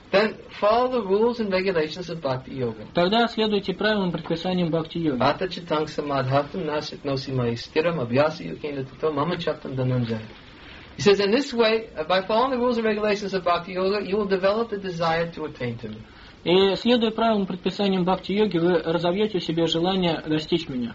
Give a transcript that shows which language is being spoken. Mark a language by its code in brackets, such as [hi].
[en] Then follow the rules and regulations of bhakti yoga. [ru] Тогда следуйте правилам и предписаниям бхакти йоги. [sa] Ата читанг самадхатам насит носи майстирам абьяси юкина тато мама чаттам дананджай. [en] He says, in this way, by following the rules and regulations of bhakti yoga, you will develop the desire to attain to me. [ru] И следуя правилам и предписаниям бхакти-йоги, вы разовьете в себе желание достичь меня.